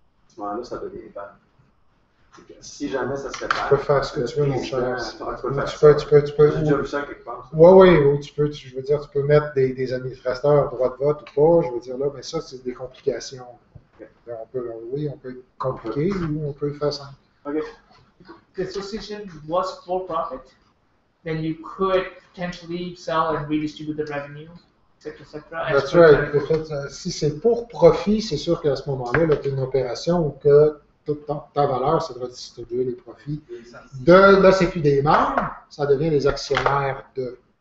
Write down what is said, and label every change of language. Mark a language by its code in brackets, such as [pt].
[fr] À ce moment-là, ça devient pair. Si jamais ça serait pair. Tu peux faire ce que tu veux, mon cher. Tu peux. J'ai déjà vu ça quelque part. Tu peux mettre des administrateurs droit de vote ou pas. Je veux dire, là, mais ça, c'est des complications. Okay. On peut être compliqué ou on peut faire simple. OK. [en] the association was for profit, then you could potentially sell and redistribute the revenue, etc., etc. That's right. [fr] En fait, si c'est pour profit, c'est sûr qu'à ce moment-là, c'est une opération où que ta valeur, ça doit distribuer les profits. De, là, c'est plus des membres, ça devient les actionnaires de.